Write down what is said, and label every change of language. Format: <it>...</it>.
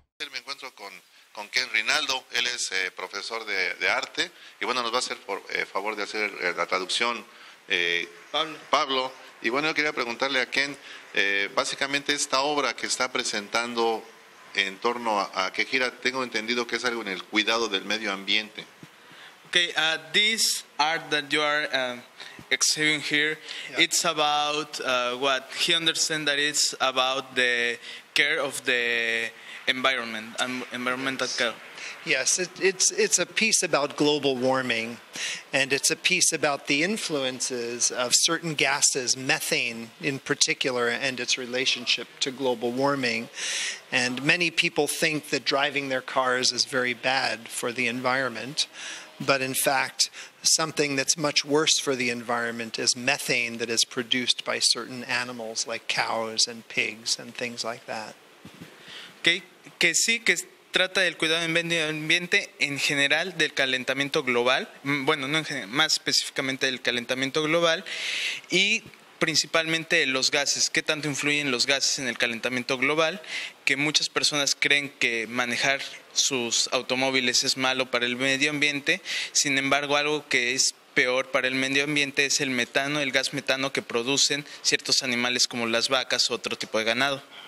<es>Me encuentro con Ken Reinaldo, él es profesor de arte, y bueno, nos va a hacer por favor de hacer la traducción Pablo. Y bueno, yo quería preguntarle a Ken, básicamente esta obra que está presentando en torno a qué gira, tengo entendido que es algo en el cuidado del medio ambiente.</es> <en>Okay, this art that you are exhibiting here, yeah. It's about what he understands, that it's about the care of the environment and environmental care. Yes, it's a piece about global warming, and it's a piece about the influences of certain gases, methane in particular, and its relationship to global warming. And many people think that driving their cars is very bad for the environment, but in fact, something that's much worse for the environment is methane that is produced by certain animals like cows and pigs and things like that. Okay.</en> <es>Que sí, que trata del cuidado del medio ambiente en general, del calentamiento global, bueno, no en general, más específicamente del calentamiento global, y principalmente los gases, qué tanto influyen los gases en el calentamiento global, que muchas personas creen que manejar sus automóviles es malo para el medio ambiente, sin embargo algo que es peor para el medio ambiente es el metano, el gas metano que producen ciertos animales como las vacas o otro tipo de ganado.</es>